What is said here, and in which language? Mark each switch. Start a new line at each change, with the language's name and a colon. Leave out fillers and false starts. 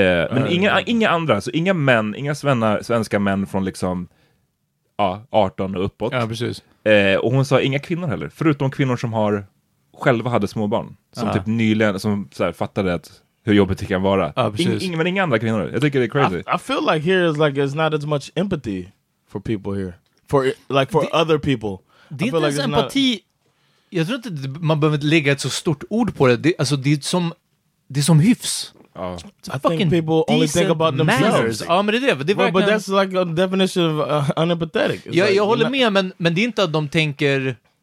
Swedish: Men inga andra. Så inga män, inga svenska män från liksom 18 och uppåt. Ja, precis. Och hon sa inga kvinnor heller, förutom kvinnor som har själva hade små barn som typ nyligen, som så här, fattade att hur jobbigt det kan vara. Men inga andra kvinnor. Jag tycker det är crazy.
English: I feel like here is like it's not as much empathy for people here. For like for det, other people.
Swedish: Det är like empati. Jag tror inte man behöver lägga ett så stort ord på det. Det, alltså det är som hyfs.
English: I think people only think about themselves.
Swedish: Ja, men det är det.
English: Well, but that's like a definition of unempathetic.
Swedish: Ja,
English: like,
Swedish: jag håller med, men det är inte att de tänker.